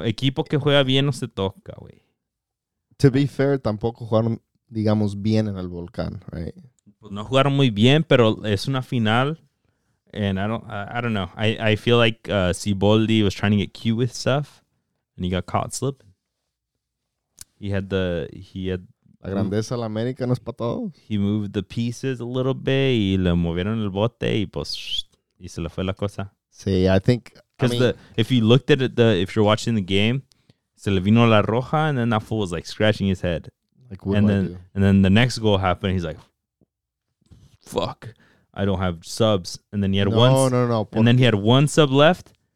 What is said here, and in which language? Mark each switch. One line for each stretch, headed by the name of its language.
Spanish: Equipo que juega bien no se toca, güey.
English: To be fair,
Spanish: tampoco jugaron, digamos, bien en el Volcán, right? Pues no jugaron muy bien, pero es una final.
English: And I don't know. I feel like Siboldi was trying to get cute with stuff, and he got caught slipping. He had
Spanish: la grandeza la América no es para todos.
English: He moved the pieces a little bit.
Spanish: Y le movieron el bote y pues y se le fue la cosa.
English: See, I think because if you're watching the game,
Spanish: se le vino la roja,
English: and then that fool was like scratching his head. Like what? And then the next goal happened. He's like, fuck. I don't have subs. And then he had he had one sub left.